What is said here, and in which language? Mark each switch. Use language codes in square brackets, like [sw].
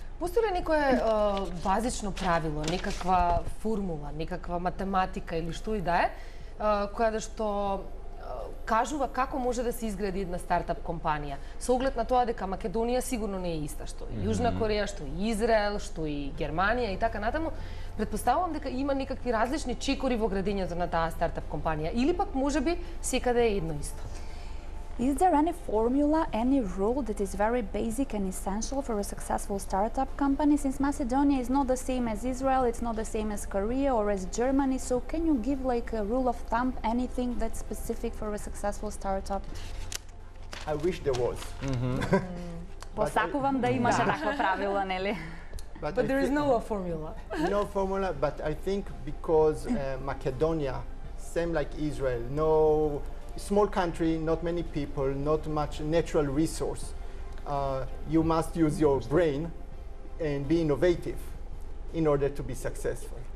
[mk] Постои ли некое базично правило, некаква формула, некаква математика или што и да е, која да што кажува како може да се изгради една стартап компанија? Со оглед на тоа дека Македонија сигурно не е иста што и Јужна Кореја, што и Израел, што и Германија и така натаму, претпоставувам дека има некакви различни чекори во градењето на таа стартап компанија или пак можеби секаде е едно исто. [en] Is there any formula, any rule that is very basic and essential for a successful startup company? Since Macedonia is not the same as Israel, it's not the same as Korea or as Germany, so can you give like a rule of thumb, anything that's specific for a successful startup? I wish there was. [mk] Посакувам да имаше такво правило, нели? [en] But there is no formula. No formula, but I think because Macedonia, same like Israel, no small country, not many people, not much natural resource. You must use your brain and be innovative in order to be successful.